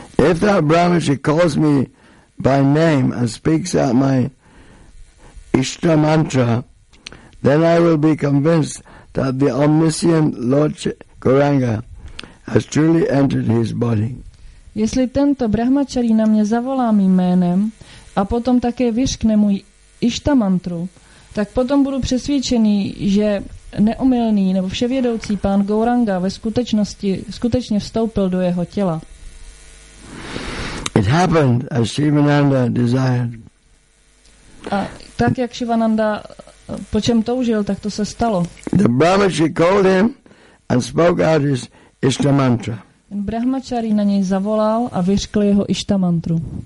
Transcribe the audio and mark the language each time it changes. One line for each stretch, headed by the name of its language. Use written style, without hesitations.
English: If that Brahmachari calls me by name and speaks out my Ishta mantra, then I will be convinced that the omniscient Lord Gauranga has truly entered his body.
Czech: Jestli tento Brahmacharí na mě zavolá mým jménem a potom také vyřkne můj Ishta mantru, tak potom budu přesvědčený, že neomylný nebo vševědoucí pán Gauranga ve skutečnosti skutečně vstoupil do jeho těla.
English: It happened as Sivananda desired.
Czech: A tak jak Sivananda po čem toužil, tak to se stalo.
English: The Brahmachari called him and spoke out his Ishta mantra.
Czech: Brahmachari na něj zavolal a vyřkl jeho Ishta mantru.